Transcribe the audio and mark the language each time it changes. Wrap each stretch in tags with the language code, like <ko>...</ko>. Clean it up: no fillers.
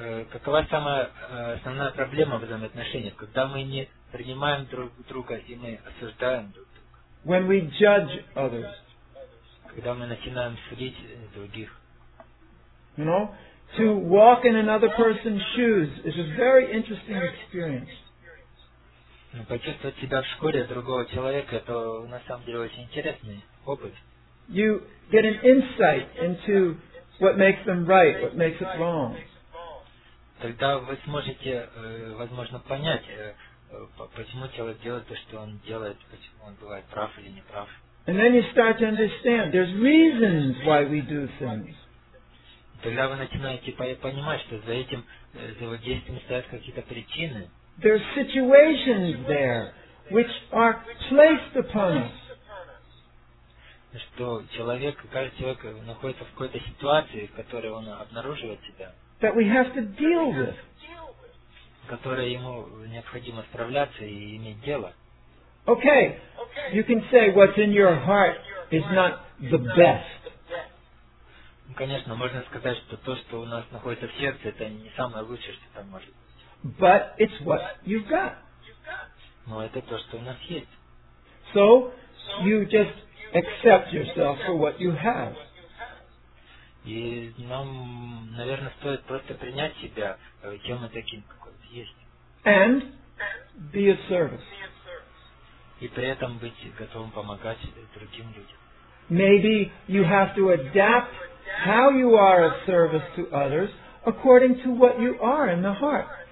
<ru>Какова самая основная проблема в взаимоотношениях, когда мы не принимаем друг друга и мы осуждаем друг друга?</ru> <en>When we judge others.</en> <ru>Когда мы начинаем судить других.</ru> <en>You know, to walk in another person's shoes is a very interesting experience.</en> <ru>Почувствовать себя в шкуре другого человека — это на самом деле очень интересный опыт.</ru> <en>You get an insight into what makes them right, what makes it wrong.</en> <ru>Тогда вы сможете, возможно, понять, почему человек делает то, что он делает, почему он бывает прав или не прав.</ru> <en>And then you start to understand there's reasons why we do things.</en> <ru>Тогда вы начинаете понимать, что за этим, за его действием стоят какие-то причины.</ru> <en>There's situations there which are placed upon us.</en> <ru>Что человек, каждый человек находится в какой-то ситуации, в которой он обнаруживает себя.</ru> <en>That we have to deal with.</en> <ru>Которое ему необходимо справляться и иметь дело.</ru> <en>Okay, you can say what's in your heart is not the best.</en> <ru>Конечно, можно сказать, что то, что у нас находится в сердце, это не самое лучшее, что там может быть.</ru> <en>But it's what you've got.</en> <ru>Но это то, что у нас есть.</ru> <en>So, you just accept yourself for what you have.</en> <ru>И нам, наверное, стоит просто принять себя тем и таким, какой он есть.</ru> <en>And be of service.</en> <ru>И при этом быть готовым помогать другим людям.</ru> <en>Maybe you have to adapt how you are of service to others according to what you are in the heart.</en>